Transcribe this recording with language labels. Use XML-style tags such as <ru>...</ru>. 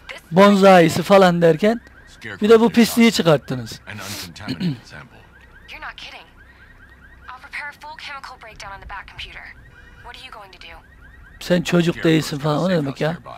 <tr>Bonzai'si falan derken bir de bu pisliği çıkarttınız.</tr> <en>You're not kidding. I'll prepare a full chemical breakdown on the back computer. What are you going to do?</en> <tr>sen çocuk değilsin falan, o ne demek ya?</tr>